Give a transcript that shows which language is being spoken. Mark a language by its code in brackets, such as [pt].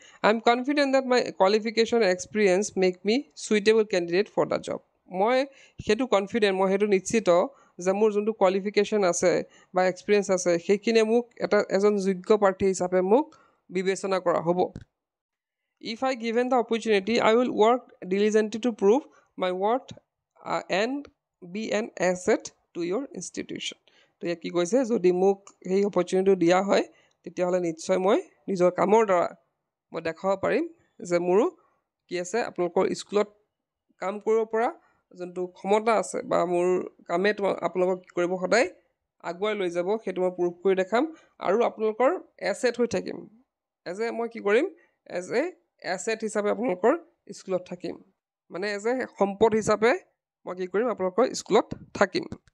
[en] I am confident that my qualification experience make me suitable candidate for the job, [as] মই সেইটো confident, মই সেইটো নিশ্চিত যে মোৰ যোনটো কোৱালিফিকেশ্যন আছে বা এক্সপিৰিয়েঞ্চ আছে সেইখিনিয়ে মোক এটা এজন যোগ্য প্ৰাৰ্থী হিচাপে মোক বিবেচনা কৰা হ'ব। [en] If I given the opportunity, I will work diligently to prove my worth and be an asset to your institution. [as] তো ইয়াত কি কৈছে, যদি মোক সেই অপৰচুনিটি দিয়া হয় তেতিয়াহ'লে নিশ্চয় মই নিজৰ কামৰ দ্বাৰা মই দেখাব পাৰিম যে মোৰো কি আছে, আপোনালোকৰ স্কুলত কাম কৰিব পৰা যোনটো ক্ষমতা আছে বা মোৰ কামে আপোনালোকক কি কৰিব সদায় আগুৱাই লৈ যাব সেইটো মই প্ৰুভ কৰি দেখাম, আৰু আপোনালোকৰ এছেট হৈ থাকিম, এজ এ মই কি কৰিম, এজ এ এছেট হিচাপে আপোনালোকৰ স্কুলত থাকিম, মানে এজ এ সম্পদ হিচাপে মই কি কৰিম আপোনালোকৰ স্কুলত থাকিম।